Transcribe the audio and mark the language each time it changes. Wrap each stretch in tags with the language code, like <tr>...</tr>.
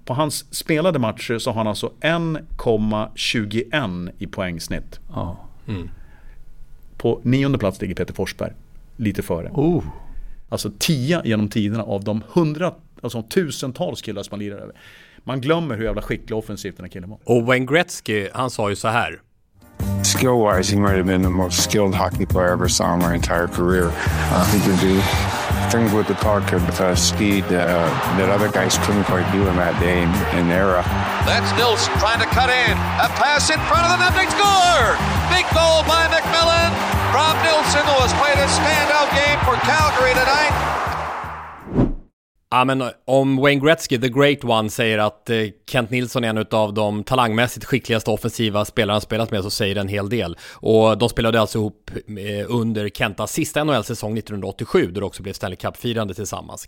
<sv>På hans spelade matcher så har han alltså 1,21 i poängsnitt. Ja. På 9:e plats ligger Peter Forsberg lite före. Oh. Alltså 10 genom tiderna av de tusentals killar som man lirar över. Man glömmer hur jävla skicklig offensivt den här killen var. Och Wayne Gretzky, han sa ju så här.</sv> <en>Skill wise, he might have been the most skilled hockey player I ever saw in my entire career. He could do things with the puck and with speed that other guys couldn't quite do in that day in era. That's Nilsson trying to cut in. A pass in front of the net, big score! Big goal by McMillan. Rob Nilsson was played a standout game for Calgary tonight.</en> <sv>Ja, men om Wayne Gretzky,</sv> <en>the great one,</en> <sv>säger att Kent Nilsson är en av de talangmässigt skickligaste offensiva spelarna han spelat med, så säger det en hel del. Och de spelade alltså ihop under Kentas sista NHL-säsong 1987, där det också blev Stanley Cup-firande tillsammans.</sv>